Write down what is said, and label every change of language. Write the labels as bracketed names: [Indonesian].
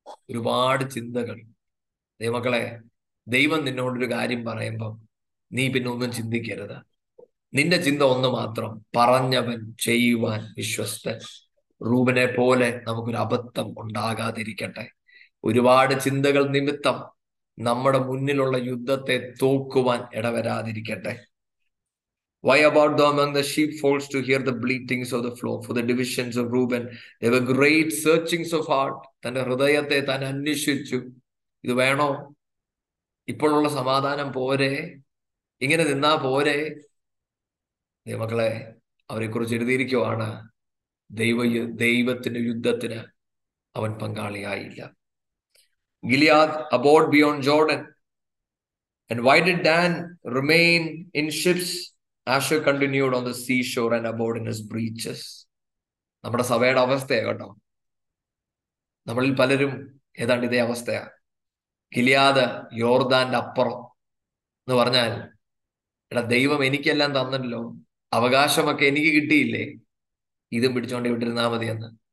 [Malayalam] ഒരുപാട് ചിന്തകൾ. ദൈവമക്കളെ, ദൈവം നിന്നോടൊരു കാര്യം പറയുമ്പം നീ പിന്നെ ഒന്നും ചിന്തിക്കരുത്. നിന്റെ ചിന്ത ഒന്ന് മാത്രം: പറഞ്ഞവൻ ചെയ്യുവാൻ വിശ്വസ്തൻ. റൂബനെ പോലെ നമുക്കൊരു അബദ്ധം ഉണ്ടാകാതിരിക്കട്ടെ. ഒരുപാട് ചിന്തകൾ നിമിത്തം നമ്മുടെ മുന്നിലുള്ള യുദ്ധത്തെ തോക്കുവാൻ ഇടവരാതിരിക്കട്ടെ. [English] Why about the among the sheep folds to hear the bleatings of the flock? For the divisions of Reuben, there were great searchings of heart. [Malayalam] തന്റെ ഹൃദയത്തെ താൻ അന്വേഷിച്ചു, ഇത് വേണോ? ഇപ്പോഴുള്ള സമാധാനം പോരെ? ഇങ്ങനെ നിന്നാ പോരെ? ദൈവമക്കളെ, അവരെക്കുറിച്ച് എഴുതിയിരിക്കുവാണ്, ദൈവത്തിന്റെ യുദ്ധത്തിന് അവൻ പങ്കാളിയായില്ല. [English] Gilead abode beyond Jordan. And why did Dan remain in ships? Asher continued on the seashore and abode in his breeches. [Malayalam] നമ്മുടെ സഭയുടെ അവസ്ഥയാ കേട്ടോ, നമ്മളിൽ പലരും ഏതാണ്ട് ഇതേ അവസ്ഥയാ. ഗിലിയാദ് യോർദാന്റെ അപ്പുറം എന്ന് പറഞ്ഞാൽ, എടാ ദൈവം എനിക്കെല്ലാം തന്നല്ലോ, അവകാശമൊക്കെ എനിക്ക് കിട്ടിയില്ലേ, ഇതും പിടിച്ചോണ്ട് ഇവിടെ ഇരുന്നാ മതിയെന്ന്.